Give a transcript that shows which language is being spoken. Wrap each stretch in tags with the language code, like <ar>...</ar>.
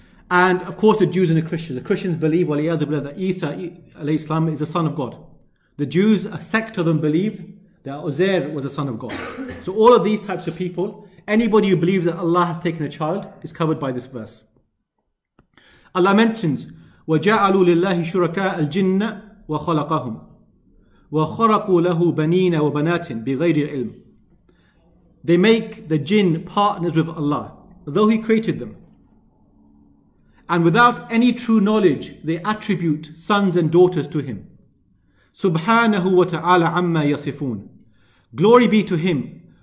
<en>And of course the Jews and the Christians. The Christians believe, waliyadhu billah, that Isa alayhi salam is the son of God. The Jews, a sect of them, believe that Uzair was the son of God. So all of these types of people, anybody who believes that Allah has taken a child is covered by this verse.</en> <ar>Allah mentions, وَجَعَلُوا لِلَّهِ شُرَكَاءَ الْجِنَّ وَخَلَقَهُمْ وَخَرَقُوا لَهُ بَنِينَ وَبَنَاتٍ بِغَيْرِ الْعِلْمِ.</ar> <en>They make the jinn partners with Allah, though He created them. And without any true knowledge, they attribute sons and daughters to Him.</en> <ar>سُبْحَانَهُ وَتَعَالَ عَمَّا يَصِفُونَ.</ar> <en>Glory be to Him.</en>